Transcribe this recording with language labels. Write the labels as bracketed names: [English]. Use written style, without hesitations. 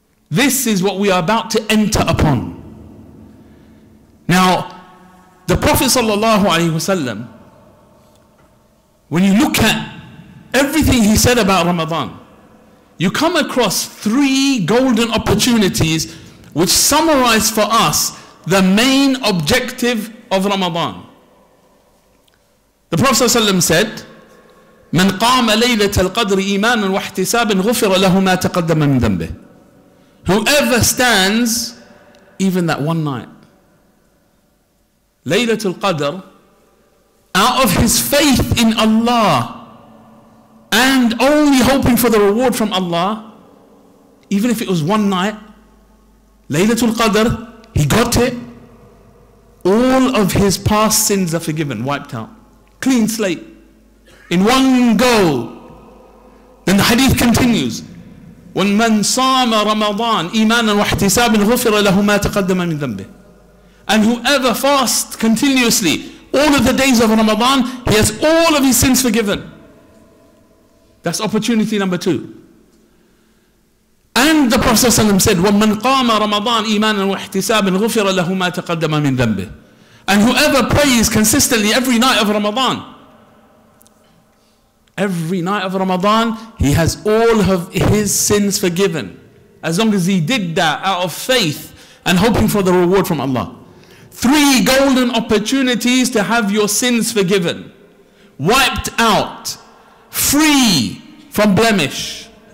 [English] This is what we are about to enter upon. Now, the Prophet ﷺ, when you look at everything he said about Ramadan, you come across three golden opportunities which summarize for us the main objective of Ramadan. The Prophet ﷺ said, [Arabic] من قام ليلة القدر إيمانا واحتسابا غفر له ما تقدم من ذنبه. [English] Whoever stands even that one night, Laylatul Qadr, out of his faith in Allah and only hoping for the reward from Allah, even if it was one night, Laylatul Qadr, he got it, all of his past sins are forgiven, wiped out, clean slate, in one go. Then the hadith continues, [Arabic] وَمَنْ صَامَ رَمَضَانَ إِيمَانًا وَاحْتِسَابًا غُفِرَ لَهُ مَا تَقَدَّمَ مِنْ ذَنْبِهِ. [English] And whoever fasts continuously all of the days of Ramadan, he has all of his sins forgiven. That's opportunity number two. And the Prophet ﷺ said, [Arabic] وَمَنْ قَامَ رَمَضَانَ إِيمَانًا وَاحْتِسَابًا غُفِرَ لَهُ مَا تَقَدَّمَ مِنْ ذَنْبِهِ. [English] And whoever prays consistently every night of Ramadan, every night of Ramadan, he has all of his sins forgiven. As long as he did that out of faith and hoping for the reward from Allah. Three golden opportunities to have your sins forgiven, wiped out, free from blemish.